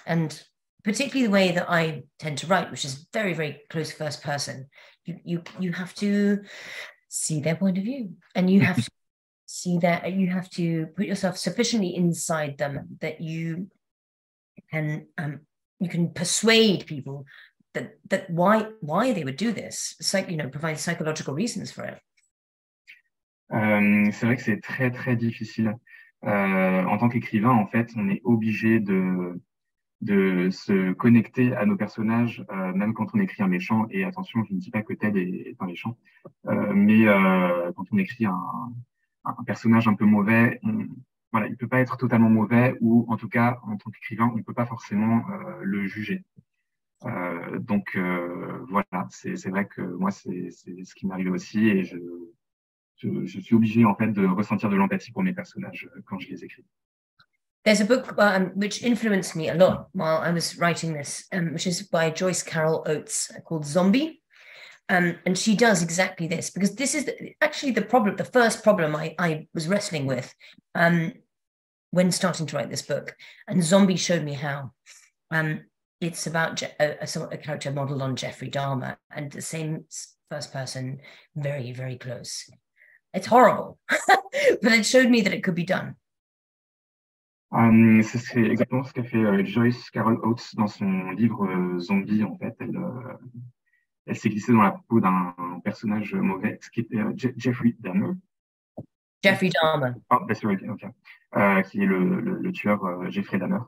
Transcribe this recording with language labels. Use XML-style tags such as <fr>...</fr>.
<en>And particularly the way that I tend to write, which is very, very close first person, you have to see their point of view and you have to see that you have to put yourself sufficiently inside them that you can persuade people that why they would do this, provide psychological reasons for it.</en> <fr>C'est vrai que c'est très, très difficile. En tant qu'écrivain, en fait, on est obligé de se connecter à nos personnages, même quand on écrit un méchant. Et attention, je ne dis pas que Ted est un méchant, mais quand on écrit un personnage un peu mauvais, il ne peut pas être totalement mauvais, ou en tout cas, en tant qu'écrivain, on ne peut pas forcément le juger. C'est vrai que moi, c'est ce qui m'arrive aussi, et je suis obligé en fait de ressentir de l'empathie pour mes personnages quand je les écris.</fr> <en>There's a book which influenced me a lot while I was writing this, which is by Joyce Carol Oates, called Zombie. And she does exactly this, because this is actually the problem, the first problem I was wrestling with when starting to write this book. And Zombie showed me how. It's about a character modeled on Jeffrey Dahmer, and the same first person, very, very close. It's horrible, but it showed me that it could be done.</en> <fr>C'est exactement ce qu'a fait Joyce Carol Oates dans son livre Zombie, en fait. Elle s'est glissée dans la peau d'un personnage mauvais, qui était Jeffrey Dahmer. Qui est le tueur Jeffrey Dahmer.</fr>